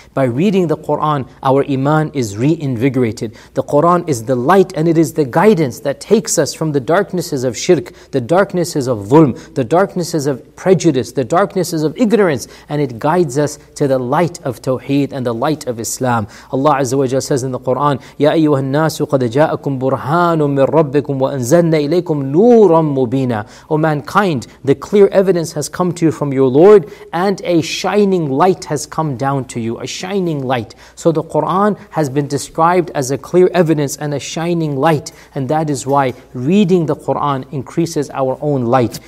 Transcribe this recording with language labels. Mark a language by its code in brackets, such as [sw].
[en] By reading the Quran, our iman is reinvigorated. The Quran is the light and it is the guidance that takes us from the darknesses of shirk, the darknesses of dhulm, the darknesses of prejudice, the darknesses of ignorance, and it guides us to the light of tawheed and the light of Islam. Allah Azza wa Jalla says in the Quran, [ar] يَا أَيُّهَا النَّاسُ قَدْ جَاءَكُمْ بُرْهَانٌ مِّن رَبِّكُمْ وَأَنزَلْنَا إِلَيْكُمْ نُورًا مُّبِينًا. [en] O mankind, the clear evidence has come to you from your Lord, and a shining light has come down to you, a shining light. So the Quran has been described as a clear evidence and a shining light. And that is why reading the Quran increases our own light.